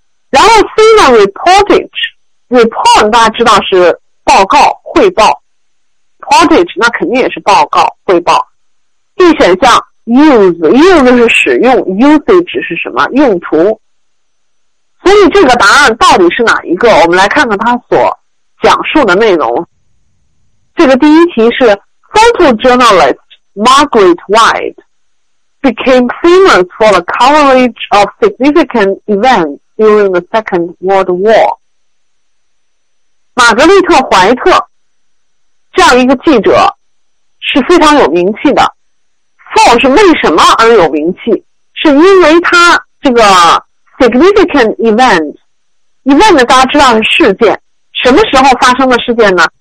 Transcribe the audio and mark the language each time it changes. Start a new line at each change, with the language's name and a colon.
Chinese: 然后 C 呢 ,reportage,report 大家知道是报告汇报 ,reportage 那肯定也是报告汇报。 D 选项 use,use 是使用 ,usage 是什么用途。所以这个答案到底是哪一个，我们来看看它所讲述的内容。这个第一题是
English: Photojournalist Margaret White became famous for the coverage of significant events during the Second World War.
Chinese: 玛格丽特·怀特这样一个记者是非常有名气的。 For 是为什么而有名气，是因为他这个
English: significant event
Chinese: 大家知道是事件，什么时候发生的事件呢？